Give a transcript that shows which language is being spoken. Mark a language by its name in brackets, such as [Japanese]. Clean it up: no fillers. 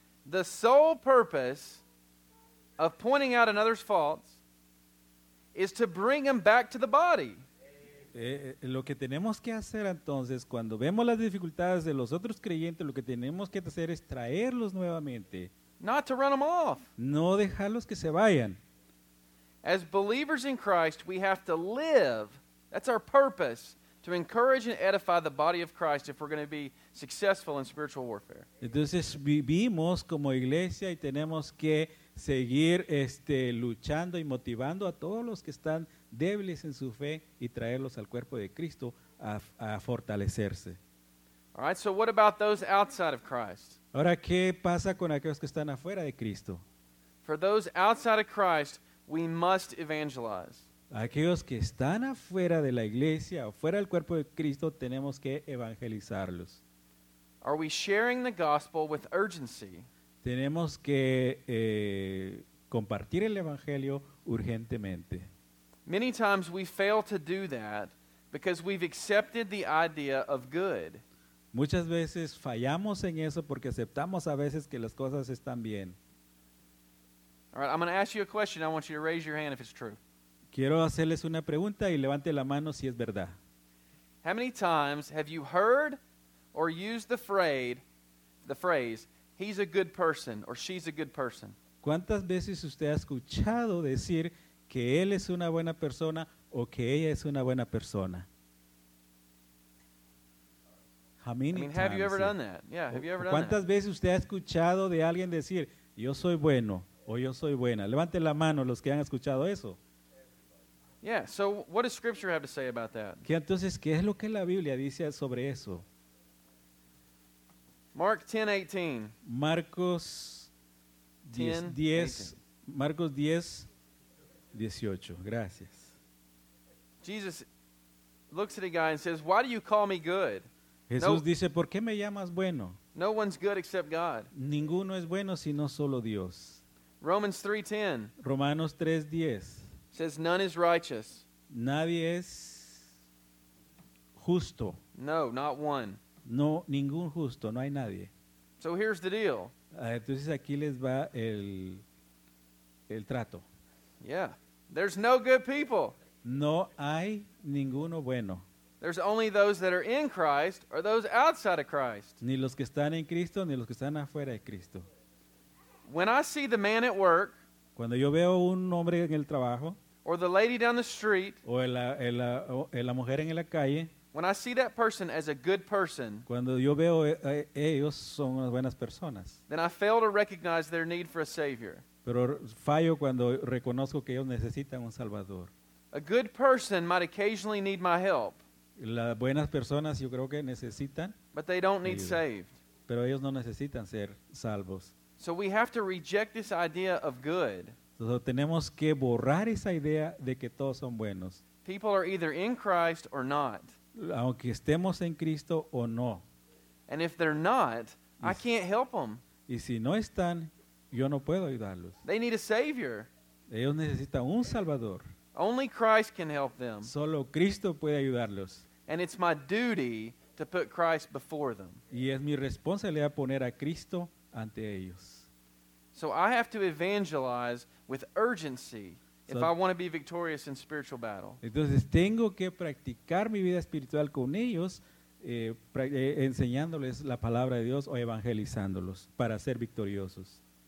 [English] The sole purpose of pointing out another's faults is to bring him back to the body. [Spanish] Lo que tenemos que hacer entonces, cuando vemos las dificultades de los otros creyentes, lo que tenemos que hacer es traerlos nuevamente. [English] Not to run them off. [Spanish] No dejarlos que se vayan. [English] As believers in Christ, we have to live. That's our purpose, to encourage and edify the body of Christ if we're going to be successful in spiritual warfare. [Spanish] Entonces vivimos como iglesia y tenemos que seguir luchando y motivando a todos los que están débiles en su fe y traerlos al cuerpo de Cristo a fortalecerse. [English] All right, so what about those outside of Christ? [Spanish] Ahora, ¿qué pasa con aquellos que están afuera de Cristo? [English] For those outside of Christ, we must evangelize. [Spanish] Aquellos que están afuera de la iglesia o fuera del cuerpo de Cristo, tenemos que evangelizarlos. [English] Are we sharing the gospel with urgency? [Spanish] Tenemos que compartir el evangelio urgentemente. [English] Many times we fail to do that because we've accepted the idea of good. [Spanish] Muchas veces fallamos en eso porque aceptamos a veces que las cosas están bien. [English] All right, I'm going to ask you a question. I want you to raise your hand if it's true. [Spanish] Quiero hacerles una pregunta y levante la mano si es verdad. [English] How many times have you heard or used the phrase, he's a good person or she's a good person? [Spanish] ¿Cuántas veces usted ha escuchado decir que él es una buena persona o que ella es una buena persona? [English] Have you ever done that? Yeah, have you ever done that? [Spanish] ¿Cuántas veces usted ha escuchado de alguien decir, yo soy bueno o yo soy buena? Levante la mano los que han escuchado eso. [English] Yeah, so what does Scripture have to say about that? [Spanish] Entonces, ¿qué es lo que la Biblia dice sobre eso? Marcos 10:18. Gracias. [English] Jesus looks at a guy and says, why do you call me good? [Spanish] Jesús dice, ¿por qué me llamas bueno? [English] No one's good except God. [Spanish] Ninguno es bueno sino solo Dios. [English] Romans 3:10. [Spanish] Romanos 3:10. [English] Says none is righteous. [Spanish] Nadie es justo. [English] No, not one. [Spanish] No, ningún justo, no hay nadie. [English] So here's the deal. [Spanish] Entonces aquí les va el trato. [English] Yeah. There's no good people. [Spanish] No hay ninguno bueno. [English] There's only those that are in Christ or those outside of Christ. [Spanish] Ni los que están en Cristo ni los que están afuera de Cristo. [English] When I see the man at work, [Spanish] cuando yo veo un hombre en el trabajo, [English] or the lady down the street, [Spanish] o la mujer en la calle, [English] when I see that person as a good person, [Spanish] cuando yo veo ellos son unas buenas personas, [English] then I fail to recognize their need for a savior. [Spanish] Pero fallo cuando reconozco que ellos necesitan un salvador. [English] A good person might occasionally need my help. [Spanish] Las buenas personas yo creo que necesitan, [English] but they don't need saved. [Spanish] Pero ellos no necesitan ser salvos. [English] So we have to reject this idea of good. [Spanish] Entonces, tenemos que borrar esa idea de que todos son buenos. [English] People are either in Christ or not. [Spanish] Aunque estemos en Cristo o no. [English] And if they're not, I can't help them. [Spanish] Y si no están, yo no puedo ayudarlos. [English] They need a savior. [Spanish] Ellos necesitan un salvador. [English] Only Christ can help them. [Spanish] Solo Cristo puede ayudarlos. [English] And it's my duty to put Christ before them. [Spanish] Y es mi responsabilidad poner a Cristo ante ellos. [English] So I have to evangelize with urgency if I want to be victorious in spiritual battle. [Spanish] Entonces tengo que practicar mi vida espiritual con ellos, enseñándoles la palabra de Dios o evangelizándolos para ser victoriosos.